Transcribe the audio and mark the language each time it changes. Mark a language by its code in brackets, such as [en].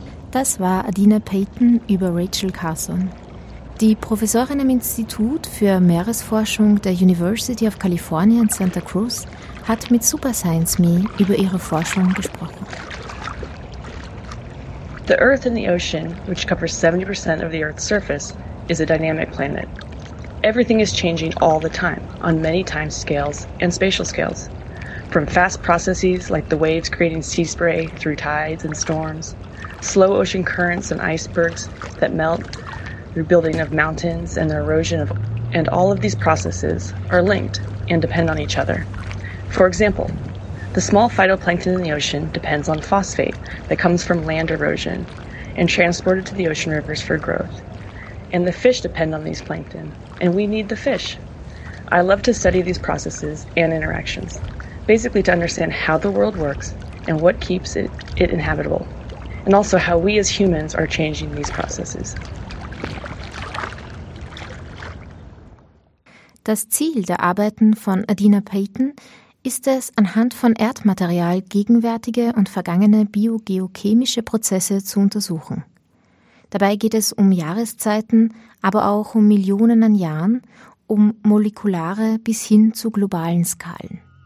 [de] Das war Adina Payton über Rachel Carson. Die Professorin am Institut für Meeresforschung der University of California in Santa Cruz hat mit Super Science Me über ihre Forschung gesprochen. [en] The Earth and the ocean, which covers 70% of the Earth's surface, is a dynamic planet. Everything is changing all the time, on many time scales and spatial scales. From fast processes like the waves creating sea spray through tides and storms, slow ocean currents and icebergs that melt, through building of mountains and the erosion of, and all of these processes are linked and depend on each other. For example, The small phytoplankton in the ocean depends on phosphate that comes from land erosion and transported to the ocean rivers for growth. And the fish depend on these plankton, and we need the fish. I love to study these processes and interactions, basically to understand how the world works and what keeps it inhabitable, and also how we as humans are changing these processes. [de] Das Ziel der Arbeiten von Adina Payton ist es, anhand von Erdmaterial gegenwärtige und vergangene biogeochemische Prozesse zu untersuchen. Dabei geht es um Jahreszeiten, aber auch um Millionen an Jahren, um molekulare bis hin zu globalen Skalen.